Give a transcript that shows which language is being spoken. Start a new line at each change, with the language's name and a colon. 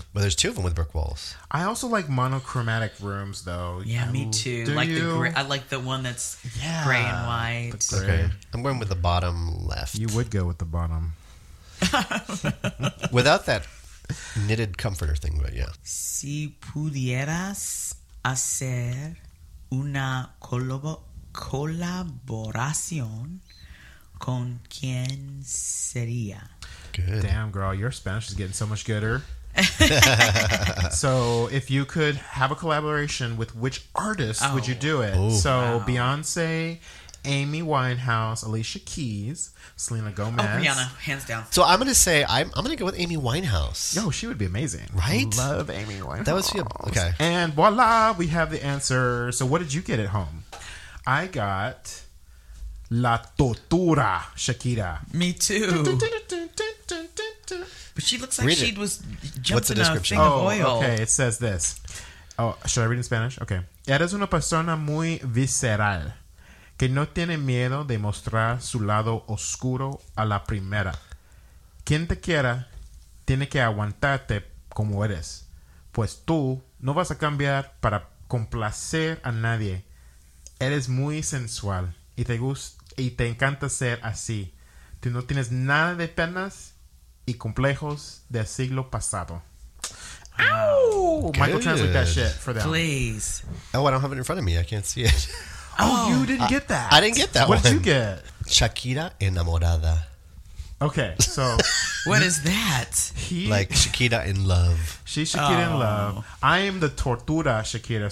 English: Well, there's two of them with brick walls. I also like monochromatic rooms, though. Yeah, me too. I like the one that's gray and white. I'm going with the bottom left. You would go with the bottom. Without that knitted comforter thing, but yeah.
Spanish: Si pudieras hacer una colaboración con quien sería.
English: Good. Damn, girl, your Spanish is getting so much gooder. So, if you could have a collaboration with which artist would you do it? Ooh. So, Beyonce, Amy Winehouse, Alicia Keys, Selena Gomez. Oh, Rihanna, hands down. So, I'm going to say, I'm going to go with Amy Winehouse. No, she would be amazing. Right? Love Amy Winehouse. That was cute. Okay. And voila, we have the answer. So, what did you get at home? I got La Tortura, Shakira. Me too. But she looks like she was jumping in a thing of oil. Okay, it says this. Oh, should I read in Spanish? Okay.
Spanish: Eres una persona muy visceral que no tiene miedo de mostrar su lado oscuro a la primera. Quien te quiera tiene que aguantarte como eres, pues tú no vas a cambiar para complacer a nadie. Eres muy sensual y te gusta y te encanta ser así. Tú no tienes nada de penas y complejos del siglo pasado.
English: Ow! Good. Michael, translate that shit for them. Please. Oh, I don't have it in front of me. I can't see it. You didn't get that. I didn't get that What did you get?
Spanish: Shakira enamorada.
English: Okay, so... What is that? Like Shakira in love. She's Shakira in love. I am the Tortura Shakira.